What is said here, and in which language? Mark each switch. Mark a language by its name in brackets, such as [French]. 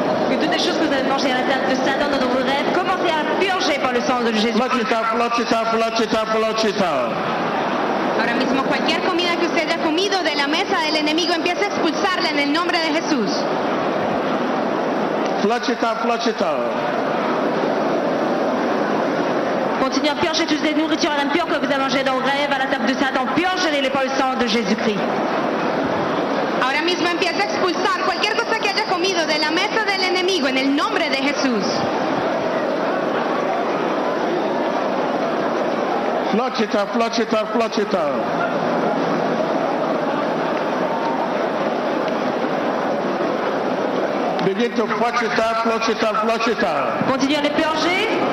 [French] Que toutes les choses que vous avez mangées à la table de Satan dans vos rêves, commencez à purger par le sang de Jésus. [English] Flush it out, flush it out, flush it out, flush it out. [Spanish] Ahora mismo cualquier comida que usted haya comido de la mesa del enemigo empiece a expulsarla en el nombre de Jesús. [English] Flush it out, flush it out. [French] Continue à purger toutes les nourritures impures que vous avez mangées dans vos rêves à la table de Satan. Purgez-les par le sang de Jésus-Christ. [Spanish] Ahora mismo empieza a expulsar cualquier cosa que haya comido de la mesa del enemigo en el nombre de Jesús. [English] Flush it out, flush it out, flush it out. Begin to flush it out, flush it out, flush it out. [French] Continue à les purger.